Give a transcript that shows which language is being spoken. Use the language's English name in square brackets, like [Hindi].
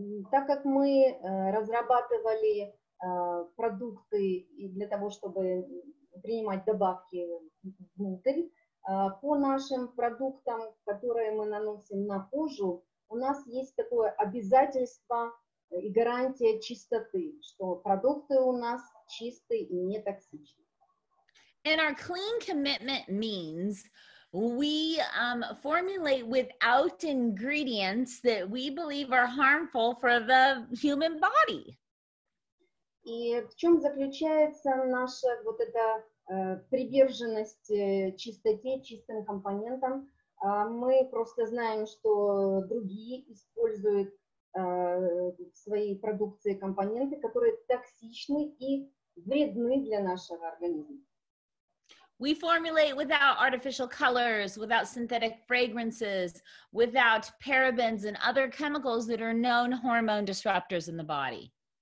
[Russian] Так как мы разрабатывали продукты для того, чтобы принимать добавки внутрь, по нашим продуктам, которые мы наносим на кожу, у нас есть такое обязательство и гарантия чистоты, что продукты у нас чистые и не токсичные. [English] And our clean commitment means we formulate without ingredients that we believe are harmful for the human body. [Russian] И в чем заключается наша вот эта приверженность чистоте, чистым компонентам? Мы просто знаем, что другие используют своей продукции компоненты, которые токсичны и вредны для нашего организма. [English] We formulate without artificial colors, without synthetic fragrances, without parabens and other chemicals that are known hormone disruptors in the body.